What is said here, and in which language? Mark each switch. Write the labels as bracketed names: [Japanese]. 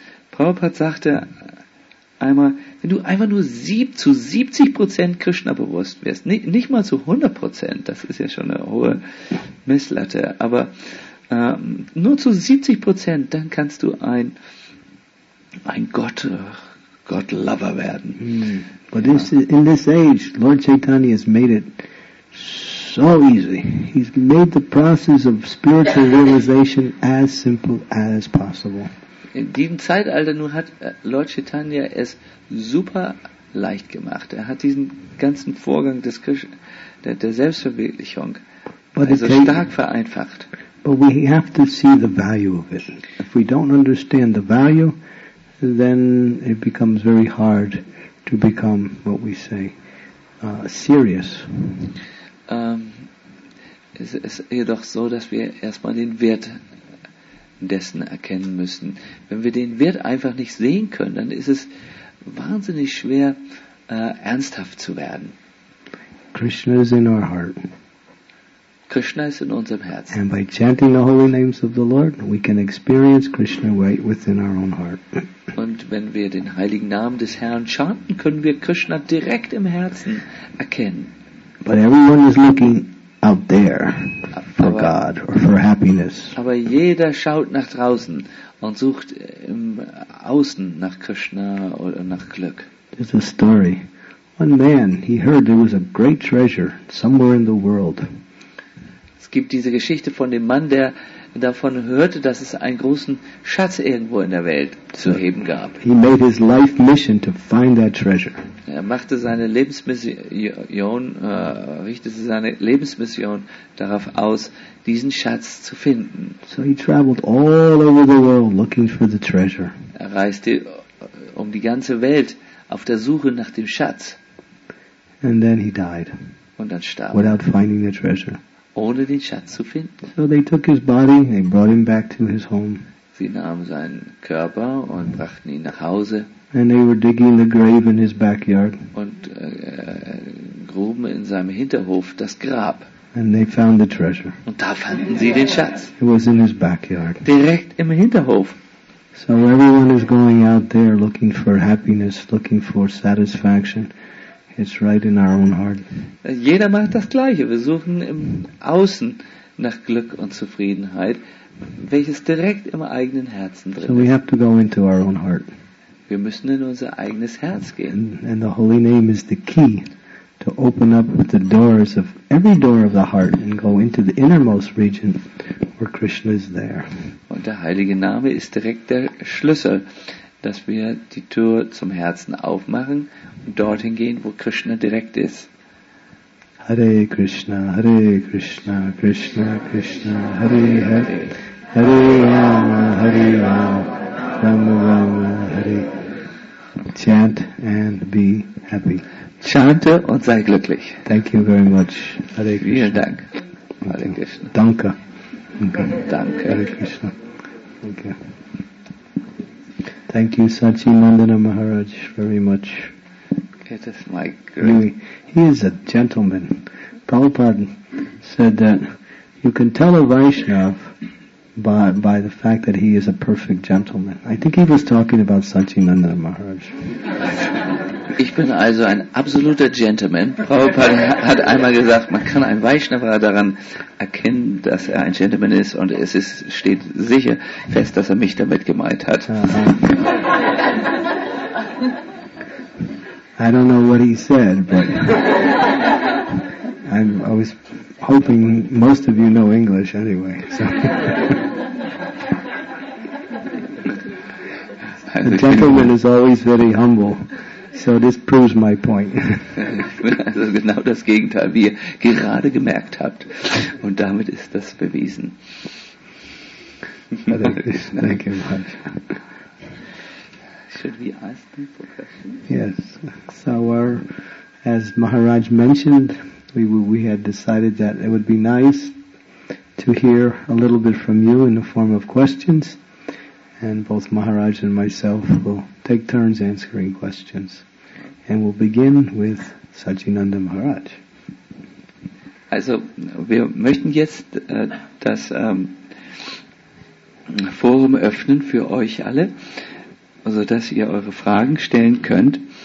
[German] Prabhupada sagte einmal, wenn du einfach nur zu 70% Krishna bewusst wirst, nicht mal zu 100%, das ist ja schon eine hohe Messlatte, aber nur zu 70%, dann kannst du ein Gott-Lover werden. Mm. [English] But this, in this age, Lord Chaitanya has made it so easy. He's made the process of spiritual realization as simple as possible. [German] In diesem Zeitalter nun hat Lord Chaitanya es super leicht gemacht. Er hat diesen ganzen Vorgang des der Selbstverwirklichung also stark vereinfacht. [English] But we have to see the value of it. If we don't understand the value, then it becomes very hard to become what we say serious. [German] Es ist jedoch so, dass wir erstmal den Wert dessen erkennen müssen. Wenn wir den Wert einfach nicht sehen können, dann ist es wahnsinnig schwer, ernsthaft zu werden. [English] Krishna is in our heart. [German] Krishna ist in unserem Herzen. [English] And by chanting the holy names of the Lord, we can experience Krishna right within our own heart. [German] Und wenn wir den heiligen Namen des Herrn chanten, können wir Krishna direkt im Herzen erkennen. [English] But everyone is looking out there for God or for happiness. [German] Aber jeder schaut nach draußen und sucht im Außen nach Krishna oder nach Glück. [English] There's a story. One man, he heard there was a great treasure somewhere in the world. [German] Es gibt diese Geschichte von dem Mann, der davon hörte, dass es einen großen Schatz irgendwo in der Welt zu heben gab. [English] He made his life mission to find that treasure. [German] Er machte seine Lebensmission, richtete seine Lebensmission darauf aus, diesen Schatz zu finden. [English] So he traveled all over the world looking for the treasure. [German] Er reiste um die ganze Welt auf der Suche nach dem Schatz. [English] And then he died. [German] Und dann starb. [English] Without finding the treasure. [German] Ohne den Schatz zu finden. [English] So they took his body and brought him back to his home. [German] Sie nahmen seinen Körper und brachten ihn nach Hause. [English] And they were digging the grave in his backyard. [German] Und gruben in seinem Hinterhof das Grab. [English] And they found the treasure. [German] Und da fanden sie den Schatz. [English] It was in his backyard. [German] Direkt im Hinterhof. [English] So everyone is going out there looking for happiness, looking for satisfaction. It's right in our own heart. [German] Jeder macht das Gleiche. Wir suchen im Außen nach Glück und Zufriedenheit, welches direkt im eigenen Herzen drin ist. [English] So we have to go into our own heart. [German] Wir müssen in unser eigenes Herz gehen. [English] And the holy name is the key to open up the doors of every door of the heart and go into the innermost region where Krishna is there. [German] Und der heilige Name ist direkt der Schlüssel, dass wir die Tür zum Herzen aufmachen und dorthin gehen, wo Krishna direkt ist. [Sanskrit] Hare Krishna, Krishna Krishna, Hare Hare, Hare Rama, Rama Rama, Hare. [English] Chant and be happy. [German] Chante und sei glücklich. [English] Thank you very much. Hare Krishna. [German] Vielen Dank. Hare Krishna. Danke. Danke. [English] Hare Krishna. Danke. Thank you, Sachi Nandana Maharaj, very much. It is my great. He is a gentleman. Prabhupada said that you can tell a Vaishnav by the fact that he is a perfect gentleman. I think he was talking about Sachi Nandana Maharaj. [German] Ich bin also ein absoluter Gentleman. Prabhupada hat einmal gesagt, man kann ein Vaishnava daran erkennen, dass er ein Gentleman ist, und es ist, steht sicher fest, dass er mich damit gemeint hat. [English] I don't know what he said, but I was hoping most of you know English anyway. So. A gentleman is always very humble. So this proves my point. [German] Also genau das Gegenteil, wie ihr gerade gemerkt habt. Und damit ist das bewiesen. [English] Thank you much. Should we ask them for questions? Yes. So as Maharaj mentioned, we had decided that it would be nice to hear a little bit from you in the form of questions. And both Maharaj and myself will take turns answering questions. And we'll begin with Sachinanda Maharaj. [German] Also, wir möchten jetzt das Forum öffnen für euch alle, so dass ihr eure Fragen stellen könnt.